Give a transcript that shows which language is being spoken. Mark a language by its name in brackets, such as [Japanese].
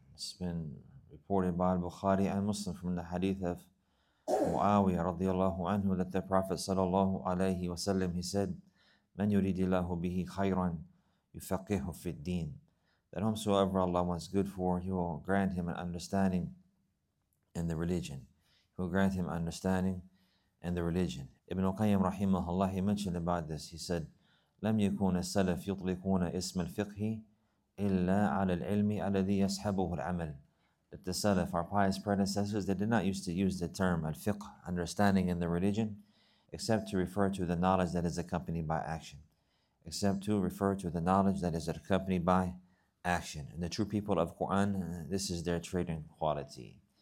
[English] It's been reported by Al-Bukhari and Muslim from the hadith of Muawiyah رضي الله عنه that the Prophet صلى الله عليه وسلم, he said, [Arabic] مَنْ يُرِدِ اللَّهُ بِهِ خَيْرًا يُفَقِّهُ فِي الدِّينِ. [English] That whomsoever Allah wants good for, He will grant him an understanding in the religion. He will grant him understanding in the religion. Ibn al-Qayyim rahimahullah, he mentioned about this. He said, [Arabic] لَمْ يَكُونَ السَّلَفْ يُطْلِقُونَ إِسْمَ الْفِقْهِ إِلَّا عَلَى الْعِلْمِ الَّذِي يَسْحَبُهُ الْعَمَلِ. [English] That the Salaf, our pious predecessors, they did not used to use the term al-fiqh, understanding in the religion, except to refer to the knowledge that is accompanied by action. Except to refer to the knowledge that is accompanied by action. And the true people of Quran, this is their trait and quality.